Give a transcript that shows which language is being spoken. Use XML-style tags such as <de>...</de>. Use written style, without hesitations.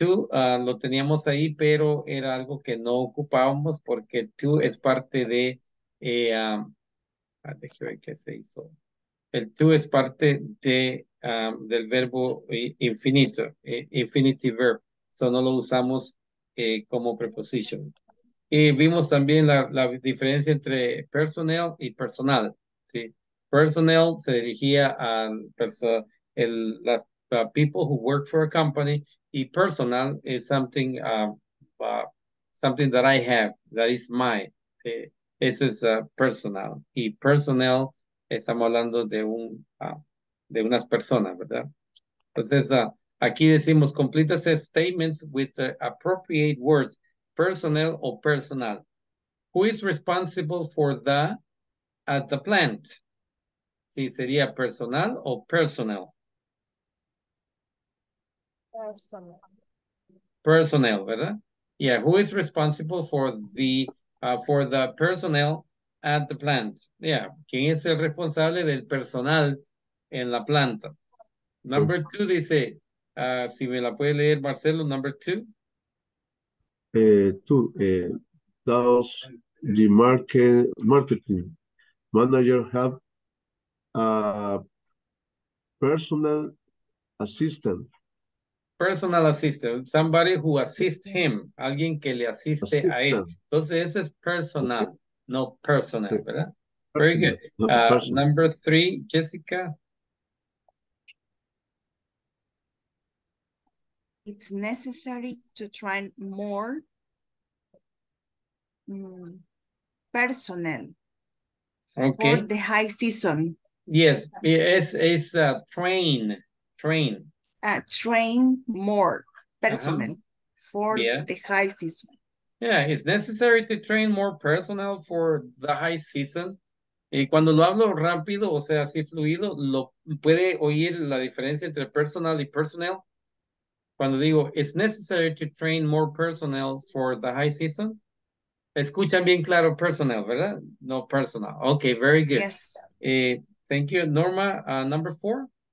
<es>lo teníamos ahí, pero era algo que no ocupábamos porque el to es parte de, déjeme ver qué se hizo. El to es parte de del verbo infinito, infinitive verb. So no lo usamos como preposition. Y vimos también la diferencia entre personnel y personal. ¿Sí? Personnel se dirigía al las</es> <en>people who work for a company, y personal is something something that I have, that is mine.</en> <es>Eso es personal. Y personnel, estamos hablando de de unas personas, ¿verdad? Entonces, aquí decimos,</es> <en>complete set statements with the appropriate words, personnel o personal. Who is responsible for the at the plant?</en> <es>Sí, sería personal o personnel.</es> <en>Personnel,</en> <es>¿verdad?</es> <en>Yeah, who is responsible for the personnel at the plant?</en> <es>Yeah, ¿quién es el responsable del personal en la planta?</es> <en>Number two</en> <es>dice, si me la puede leer Marcelo,</es> <en>number two. Does the marketing manager have a personal Assistant. Personal assistant. Somebody who assists him.</en> <es>Alguien que le asiste</es> <en>assistant. A él.</en> <es>Entonces, ese es personal. Okay. No personal, okay. ¿Verdad? Personal.</es> <en>Very good. Number three, Jessica. It's necessary to train more personnel okay. For the high season. Yes, it's a train. Train more personnel for the high season. Yeah, it's necessary to train more personnel for the high season.</en> <es>Y cuando lo hablo rápido, o sea, así fluido, lo puede oír la diferencia entre personal y personnel. Cuando digo,</es> <en>it's necessary to train more personnel for the high season.</en> <es>Escuchan bien claro personnel, ¿verdad? No personal.</es> <en>Okay, very good. Yes. Thank you. Norma, number four.</en>